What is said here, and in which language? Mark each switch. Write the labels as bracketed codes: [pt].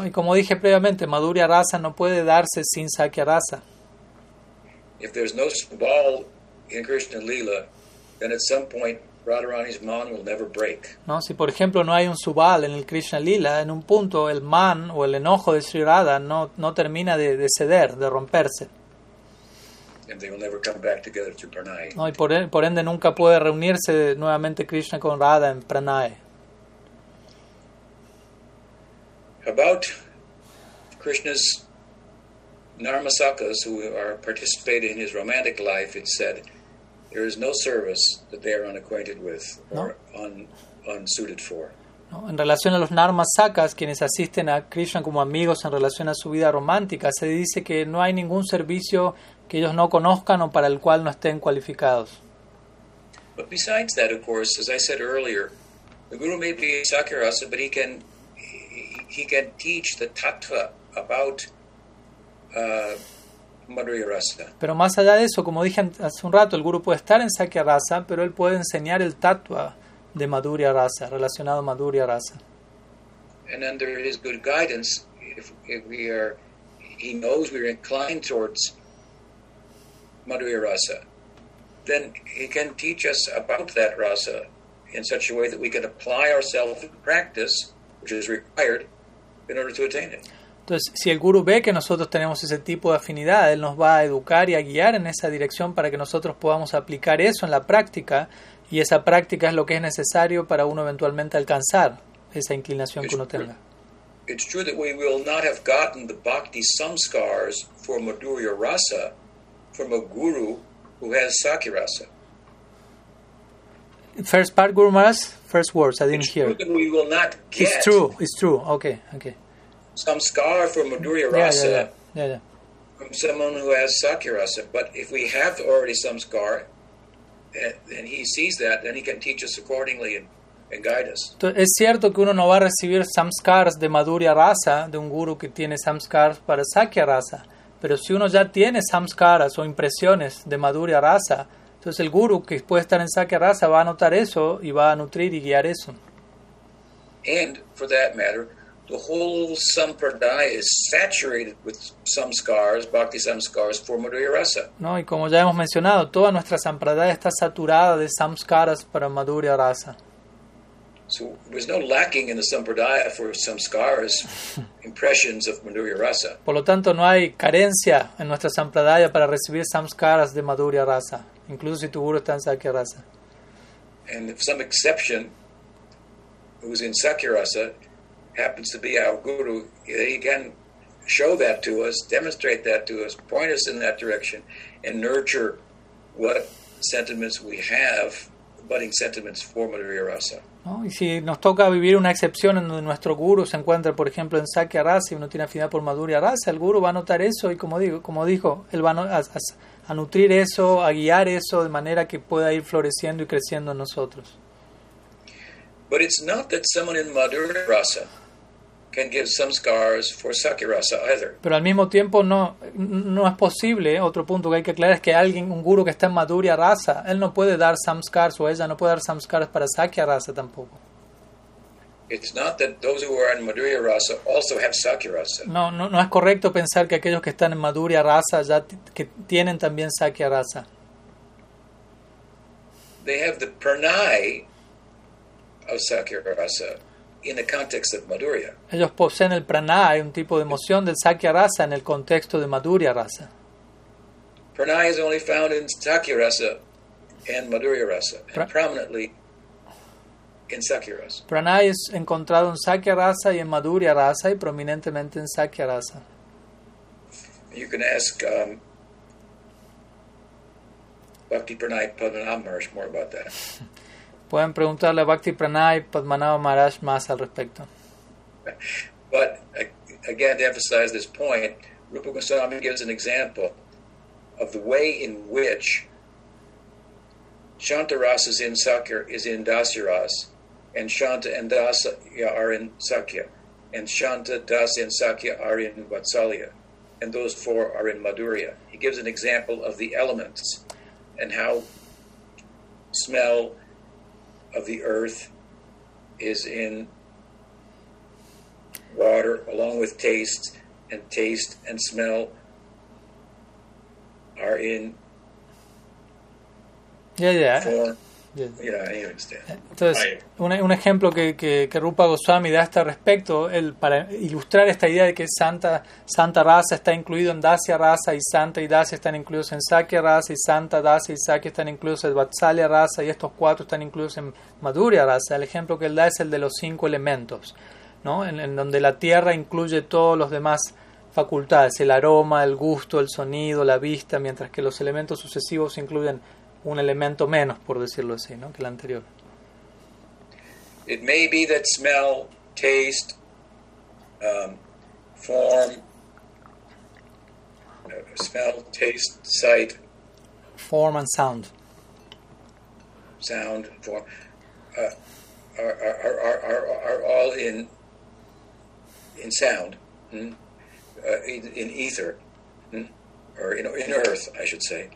[es] No, y como dije previamente, Madhurya Rasa no puede darse sin Sakya Rasa. [en] If there's no Subal in Krishna Lila, then at some point Radharani's man will never break. [es] No, si por ejemplo no hay un Subal en el Krishna Lila, en un punto el man o el enojo de Sri Radha no termina de ceder, de romperse. [en] And they will never come back together to Pranay. [es] No, y por ende nunca puede reunirse nuevamente Krishna con Radha en Pranay. [en] About Krishna's Narmasakas who are participating in his romantic life, it said there is no service that they are unacquainted with or unsuited for. [es] No, en relación a los Narmasakas, quienes asisten a Krishna como amigos en relación a su vida romántica, se dice que no hay ningún servicio que ellos no conozcan o para el cual no estén cualificados. [en] But besides that, of course, as I said earlier, the guru may be Sakya Rasa, but he can teach the tattva about Madhurya Rasa. [es] Pero más allá de eso, como dije hace un rato, el guru puede estar en Sakya Rasa, pero él puede enseñar el tattva de Madhurya Rasa, relacionado a Madhurya Rasa. [en] And under his good guidance, if he knows we are inclined towards Madhurya Rasa, then he can teach us about that rasa in such a way that we can apply ourselves to practice, which is required, in order to attain it. [es] Entonces, si el guru ve que nosotros tenemos ese tipo de afinidad, él nos va a educar y a guiar en esa dirección para que nosotros podamos aplicar eso en la práctica, y esa práctica es lo que es necesario para uno eventualmente alcanzar esa inclinación que uno tenga. [en] It's true that we will not have gotten the bhakti samskars for Madhurya Rasa from a guru who has Sakya Rasa. First part, Guru Maharaj? First words, I didn't hear. It's true that we will not get... It's true. Okay. Some scar from Madhurya Rasa. Yeah. From someone who has Sakya Rasa. But if we have already some scar, then he sees that, then he can teach us accordingly and guide us. [es] Es cierto que uno no va a recibir [en] some scars [es] de Madhurya Rasa, de un guru que tiene some scars para Sakya Rasa. Pero si uno ya tiene samskaras o impresiones de Madhurya Rasa, entonces el guru que puede estar en Sakya Rasa va a notar eso y va a nutrir y guiar eso. [en] And for that matter, the whole sampradaya is saturated with samskaras, bhakti samskaras for Madhurya Rasa. [es] No, y como ya hemos mencionado, toda nuestra sampradaya está saturada de samskaras para Madhurya Rasa. [en] So there's no lacking in the sampradaya for samskaras, impressions of Madhurya Rasa. [es] Por lo tanto, no hay carencia en nuestra sampradaya para recibir samskaras de Madhurya Rasa, incluso si tu guru está en Sakya Rasa. [en] And if some exception who's in Sakya Rasa happens to be our guru, he can show that to us, demonstrate that to us, point us in that direction, and nurture what sentiments we have, budding sentiments for Madhurya Rasa. [es] ¿No? Y si nos toca vivir una excepción en donde nuestro guru se encuentra, por ejemplo, en Sakya Rasa y uno tiene afinidad por Madhurya Rasa, el guru va a notar eso y, como dijo, él va a nutrir eso, a guiar eso de manera que pueda ir floreciendo y creciendo en nosotros. [en] But it's not that someone in Madhurya Rasa can give some scars for Sakya Rasa either. [es] Pero al mismo tiempo no es posible, otro punto que hay que aclarar es que alguien, un guru que está en Madhurya Rasa, él no puede dar samskars, o ella no puede dar samskars para Sakya Rasa tampoco. [en] It's not that those who are in Madhurya Rasa also have Sakya Rasa. [es] No, no, no es correcto pensar que aquellos que están en Madhurya Rasa ya que tienen también Sakya Rasa. [en] They have the pranay of Sakya Rasa in the context of Madhurya. [es] Ellos poseen el pranay, un tipo de emoción del Sakya Rasa en el contexto de Madhurya Rasa. [en] Pranay is only found in Sakya Rasa and Madhurya Rasa, and prominently in Sakya Rasa. [es] Pranay es encontrado en Sakya Rasa y en Madhurya Rasa y prominentemente en Sakya Rasa. [en] You can ask Bhakti Pranay Padmanabha Maharaj more about that. [es] Pueden preguntarle a Bhakti Pranay Padmanabha Maharaj más al respecto. [en] But again, to emphasize this point, Rupa Goswami gives an example of the way in which Shanta Rasa is in Sakya, is in Dasya Rasa, and Shanta and Dasya are in Sakya, and Shanta, Dasya, and Sakya are in Vatsalya, and those four are in Madhurya. He gives an example of the elements and how smell of the earth is in water, along with taste, and taste and smell are in [es] Entonces, un ejemplo que Rupa Goswami da a este respecto, él, para ilustrar esta idea de que Santa Rasa está incluido en Dasya Rasa, y Santa y Dasya están incluidos en Sakya Rasa, y Santa, Dasya y Sakya están incluidos en Vatsalya Rasa, y estos cuatro están incluidos en Madhurya Rasa. El ejemplo que él da es el de los cinco elementos, ¿no? En donde la tierra incluye todos los demás facultades, el aroma, el gusto, el sonido, la vista, mientras que los elementos sucesivos incluyen un elemento menos, por decirlo así, ¿no? Que el anterior. [en] It may be that smell, taste, form, smell, taste, sight, form and sound. Sound, form, are all in sound, in ether, or in earth, I should say.